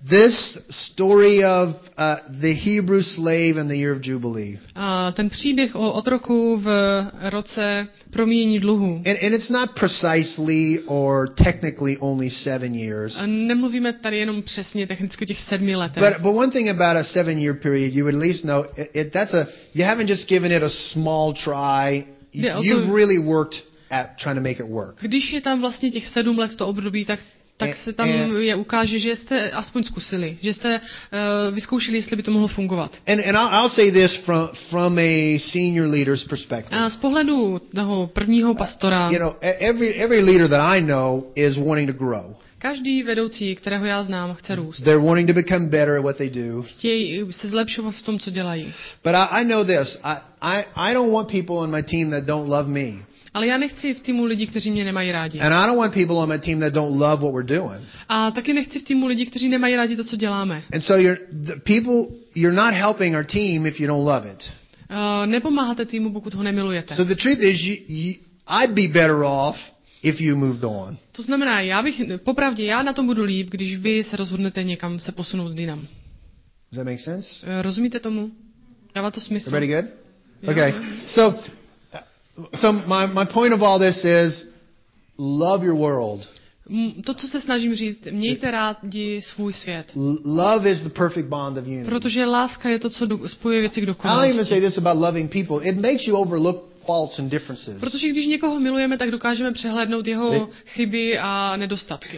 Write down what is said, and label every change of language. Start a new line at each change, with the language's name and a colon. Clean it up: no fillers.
English: this story of the Hebrew slave and the year of jubilee.
Czech: Ten příběh o otroku v roce promíjení dluhu.
English: And it's not precisely or technically only 7 years.
Czech: A nemluvíme tady jenom přesně technicky těch 7 let.
English: But one thing about a 7 year period, you would at least know it that's a you haven't just given it a small try. You've really worked at trying to make it work.
Czech: Když je tam vlastně těch 7 let to období, tak se tam je ukáže, že jste aspoň zkusili, že jste vyzkoušeli, jestli by to mohlo fungovat.
English: And I'll say this from a senior leader's perspective.
Czech: A z pohledu toho prvního pastora.
English: You know, every leader that I know is wanting to grow.
Czech: Každý vedoucí, kterého já znám, chce růst.
English: They're wanting to become better at what they do.
Czech: Chtějí se zlepšovat v tom, co dělají.
English: But I know this. I don't want people on my team that don't love me.
Czech: Ale já nechci v týmu lidí, kteří mě nemají rádi.
English: And I don't want people on my team that don't love what we're doing.
Czech: A taky nechci v týmu lidí, kteří nemají rádi to, co děláme.
English: And so you're not helping our team if you don't love it.
Czech: Nepomáháte týmu, pokud ho nemilujete.
English: So the truth is I'd be better off if you moved on.
Czech: To znamená, já bych popravdě já na tom budu líp, když vy se rozhodnete někam se posunout jinam.
English: Does that make sense?
Czech: Rozumíte tomu? Dává to smysl.
English: Everybody good? Okay. So my point of all this is love your world.
Czech: To, co se snažím říct, mějte rádi svůj svět.
English: Love is the perfect bond of unity.
Czech: Protože láska je to, co spojuje věci k dokonalosti.
English: I'll even say this about loving people. It makes you overlook faults and differences.
Czech: Protože když někoho milujeme, tak dokážeme přehlédnout jeho chyby a nedostatky.